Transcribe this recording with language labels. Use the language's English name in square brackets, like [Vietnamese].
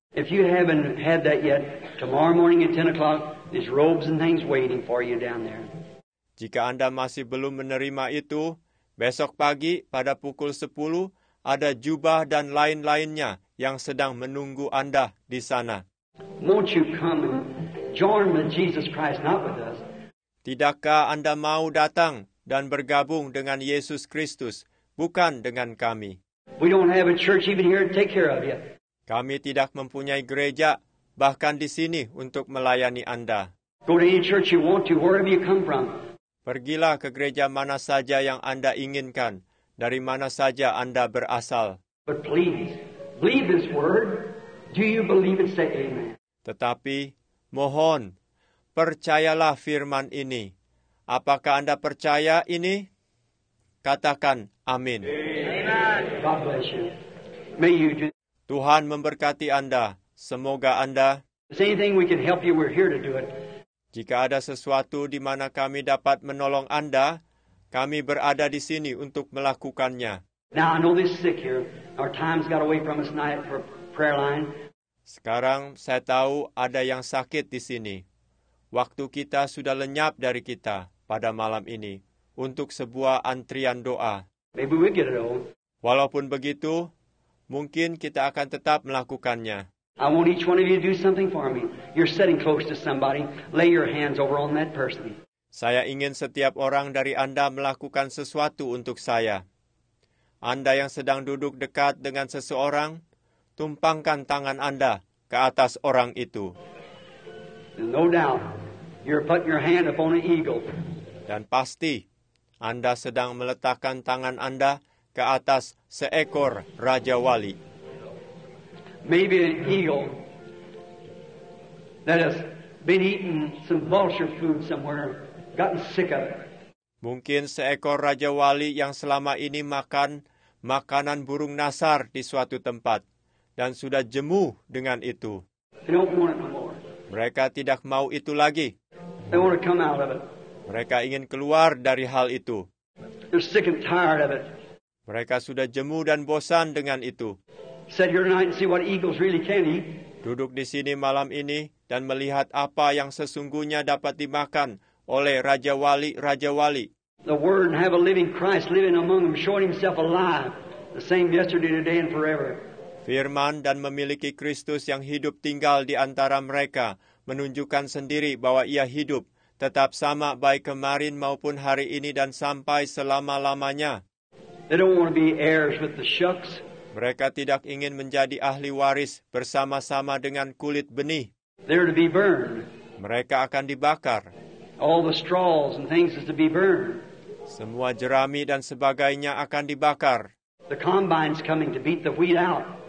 [English] If you haven't had that yet, tomorrow morning at 10 o'clock, these robes and things waiting for you down there. [Indonesian] Jika Anda masih belum menerima itu, besok pagi pada pukul 10 ada jubah dan lain-lainnya yang sedang menunggu Anda di sana. [English] Won't you come and join with Jesus Christ, not with us? [Indonesian] Tidakkah Anda mau datang dan bergabung dengan Yesus Kristus, bukan dengan kami? [English] We don't have a church even here to take care of you. [Indonesian] Kami tidak mempunyai gereja bahkan di sini untuk melayani Anda. [English] Go to any church you want to, wherever you come from. [Indonesian] Pergilah ke gereja mana saja yang Anda inginkan, dari mana saja Anda berasal. [English] But please, believe this word. Do you believe it? Say amen. [Indonesian] Tetapi, mohon, percayalah firman ini. Apakah Anda percaya ini? Katakan amin. [English] Amen. God bless you. May you just... [Indonesian] Tuhan memberkati Anda. Semoga Anda... [English] Same thing we can help you, we're here to do it. [Indonesian] Jika ada sesuatu di mana kami dapat menolong Anda, kami berada di sini untuk melakukannya. [English] Now I know this is sick here. Our time's got away from us tonight for prayer line. [Indonesian] Sekarang saya tahu ada yang sakit di sini. Waktu kita sudah lenyap dari kita pada malam ini untuk sebuah antrian doa. [English] Maybe we get it all. [Indonesian] Walaupun begitu, mungkin kita akan tetap melakukannya. [English] I want each one of you to do something for me. You're sitting close to somebody. Lay your hands over on that person. [Indonesian] Saya ingin setiap orang dari Anda melakukan sesuatu untuk saya. Anda yang sedang duduk dekat dengan seseorang, tumpangkan tangan Anda ke atas orang itu. [English] No doubt, you're putting your hand upon an eagle. [Indonesian] Dan pasti, Anda sedang meletakkan tangan Anda ke atas seekor Raja Wali. [English] Maybe an eagle that has been eating some vulture food somewhere, gotten sick of it. [Indonesian] Mungkin seekor Raja Wali yang selama ini makan makanan burung nasar di suatu tempat dan sudah jemu dengan itu. [English] They don't want it no more. [Indonesian] Mereka tidak mau itu lagi. [English] They want to come out of it. [Indonesian] Mereka ingin keluar dari hal itu. [English] They're sick and tired of it. [Indonesian] Mereka sudah jemu dan bosan dengan itu. [English] Sit here tonight and see what eagles really can eat. [Indonesian] Duduk di sini malam ini dan melihat apa yang sesungguhnya dapat dimakan oleh Raja Wali, Raja Wali. [English] The Word have a living Christ living among them, showing Himself alive, the same yesterday, today, and forever. [Indonesian] Firman dan memiliki Kristus yang hidup tinggal di antara mereka, menunjukkan sendiri bahwa Ia hidup, tetap sama baik kemarin maupun hari ini dan sampai selama-lamanya. [English] They don't want to be heirs with the shucks. [Indonesian] Mereka tidak ingin menjadi ahli waris bersama-sama dengan kulit benih. [English] They're to be burned. [Indonesian] Mereka akan dibakar. [English] All the straws and things is to be burned. [Indonesian] Semua jerami dan sebagainya akan dibakar. [English] The combine's coming to beat the wheat out.